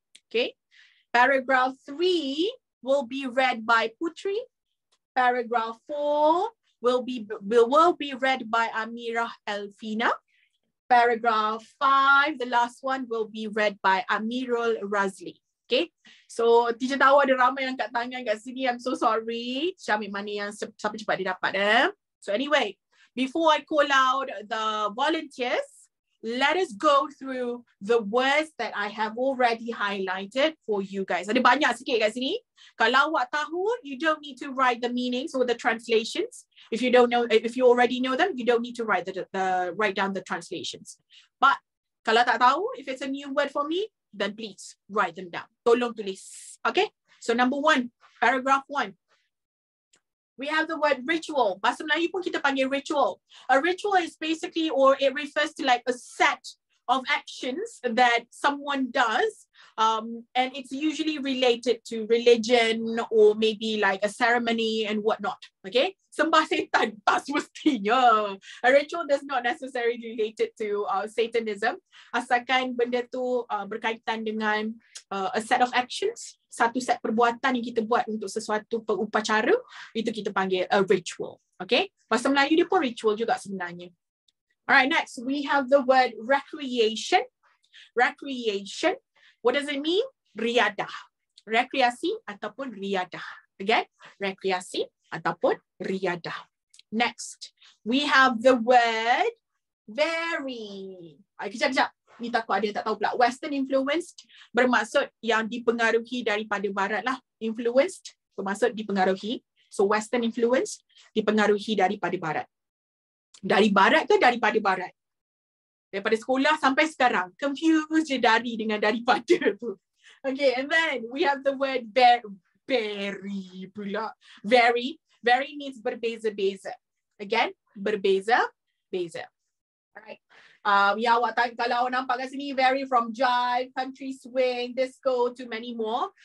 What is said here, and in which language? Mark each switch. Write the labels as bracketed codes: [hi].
[en] Okay. Paragraph 3 will be read by Putri. Paragraph 4 will be read by Amirah Elfina. Paragraph 5, the last one, will be read by Amirul Razli. [ms] Okay. So, teacher tahu ada ramai yang kat tangan kat sini. [en] I'm so sorry. [ms] Saya ambil mana yang siapa cepat dia dapat eh. [en] So anyway, before I call out the volunteers, let us go through the words that I have already highlighted for you guys. [ms] Ada banyak sikit kat sini. Kalau awak tahu, [en] you don't need to write the meanings or the translations. If you don't know, if you already know them, you don't need to write the write down the translations. But [ms] kalau tak tahu, [en] if it's a new word for me, then please write them down. [ms] Tolong tulis. [en] Okay? So number 1, paragraph 1. We have the word ritual. [ms] Bahasa Melayu pun kita panggil ritual. [en] A ritual is basically, or it refers to like a set of actions that someone does And it's usually related to religion or maybe like a ceremony and whatnot. Okay. [ms] Sembah setan, tak semestinya. [en] A ritual that's not necessarily related to Satanism. [ms] Asalkan benda tu berkaitan dengan [en] a set of actions. [ms] Satu set perbuatan yang kita buat untuk sesuatu upacara. Itu kita panggil a ritual. Okay. Bahasa Melayu dia pun ritual juga sebenarnya. [en] Alright, next. We have the word recreation. Recreation. What does it mean? Riadah. [ms] Rekreasi ataupun riadah. Again, rekreasi ataupun riadah. [en] Next, we have the word very. [ms] Kejap-kejap. Ni takut ada yang tak tahu pula. Western influenced bermaksud yang dipengaruhi daripada barat lah. Influenced bermaksud dipengaruhi. So, Western influenced dipengaruhi daripada barat. Dari barat ke daripada barat? Daripada sekolah sampai sekarang. Confused je dari dengan daripada tu. [en] Okay, and then we have the word very pula. Very. Very means berbeza-beza. Again, berbeza-beza. Alright. [ms] Ya, awak tak, kalau awak nampak kat sini, [en] very from jive, country swing, disco to many more.